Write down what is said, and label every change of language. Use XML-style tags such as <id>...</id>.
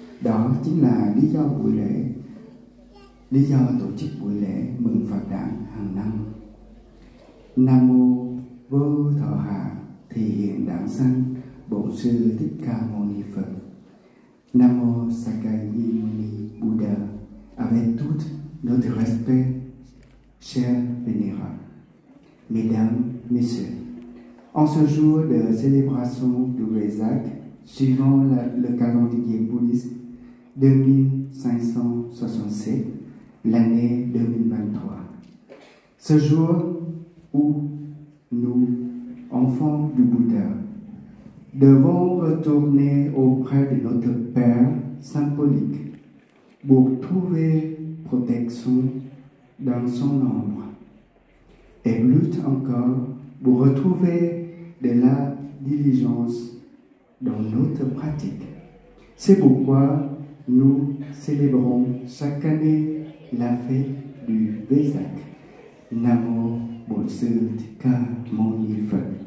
<vi>Đó chính là lý do buổi lễ, lý do tổ chức buổi lễ mừng Phật đản hàng năm. Nam mô Vô Thọ Hạ Thì Hiện Đản Sanh Bổn Sư Thích Ca Mâu Ni Phật. Nam mô Sakyamuni Mâu Ni Buddha.</vi> <fr>Avec tout notre respect, chers vénérables, mesdames, messieurs, en ce jour de célébration du Vaisak, suivant le calendrier bouddhiste 2567, l'année 2023, ce jour où nous, enfants du Bouddha, devons retourner auprès de notre Père symbolique pour trouver protection dans son ombre et plus encore pour retrouver de la diligence dans notre pratique. C'est pourquoi nous célébrons chaque année la fête du Vaisak.</fr> <vi>Namo Bổn Sư Thích Ca Mâu Ni Phật.</vi>